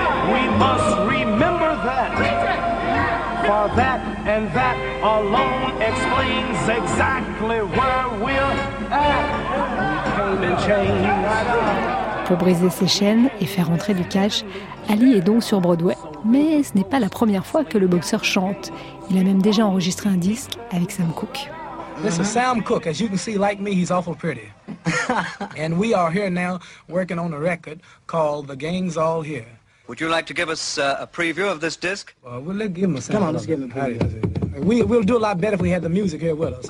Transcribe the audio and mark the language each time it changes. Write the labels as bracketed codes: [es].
[en] We must remember that. For that and that alone explains exactly where we're at. We came in chains. [fr] Pour briser ses chaînes et faire entrer du cash, Ali est donc sur Broadway. Mais ce n'est pas la première fois que le boxeur chante. Il a même déjà enregistré un disque avec Sam Cooke. [en] This is Sam Cooke. As you can see, like me, he's awful pretty. And we are here now working on a record called The Gang's All Here. Would you like to give us a preview of this disc? Well, let's give him a sample. Come on, let's give him a preview. We'll do a lot better if we had the music here with us.